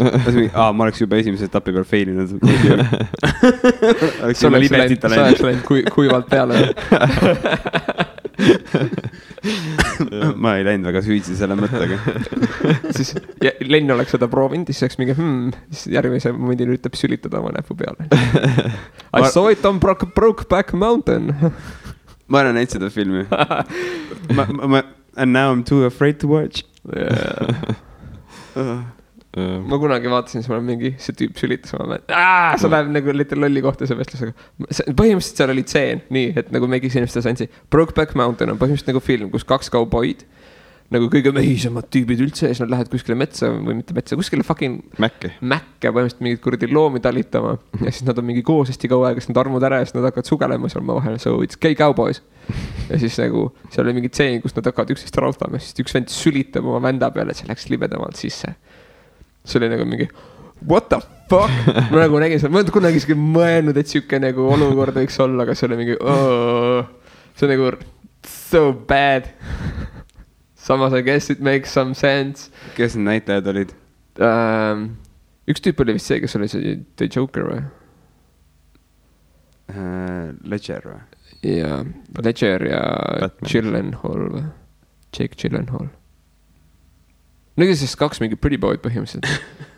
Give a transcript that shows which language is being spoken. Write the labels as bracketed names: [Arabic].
[Estonian] ma oleks juba esimese etapi peal fail inud . sa oleks läinud kuivalt peale . ma ei läinud väga süüdi selle mõttega . siis Lenn oleks seda proovinud , siis oleks mingi siis järgmise momendil üritab sülitada oma näpu peale . [English] I saw it on Brokeback Mountain . [Estonian] ma olen näinud seda filmi . [English] And now I am too afraid to watch . [Estonian] ma kunagi vaatasin , siis mul on mingi , see tüüp sülitas oma näpu , see läheb nagu lihtsalt lolli kohta see vestlusega . põhimõtteliselt seal oli tseen , nii , et nagu me kõigis inimestes andsid , Brokeback Mountain on põhimõtteliselt nagu film , kus kaks kauboid . nagu kõige mehisemad tüübid üldse ja siis nad lähevad kuskile metsa või mitte metsa , kuskile fucking . Mäkke , põhimõtteliselt mingeid kuradi loomi talitama ja siis nad on mingi koos hästi kaua aega , siis nad armuvad ära ja siis nad hakkavad sugelema seal omavahel , [English] so it's gay cowboys . [Estonian] ja siis nagu seal oli mingi tseen , kus nad hakkavad üksteist rautama ja siis üks vend sülitab oma vända peale , et see läks libedamalt sisse . see oli nagu mingi [English] what the fuck [Estonian] , ma nagu nägin seda , ma ei olnud kunagi isegi mõelnud , et sihuke nagu olukord võiks olla , aga see oli mingi see on nagu [English] so bad . [Estonian] samas [English] I guess it makes some sense . [Estonian] kes need näitlejad olid ? Üks tüüp oli vist see , kes oli see The Joker või ? Ledger või ? jaa , Ledger ja Gyllenhaal või ? Jake Gyllenhaal . no igatahes kaks mingit pretty boy'd põhimõtteliselt .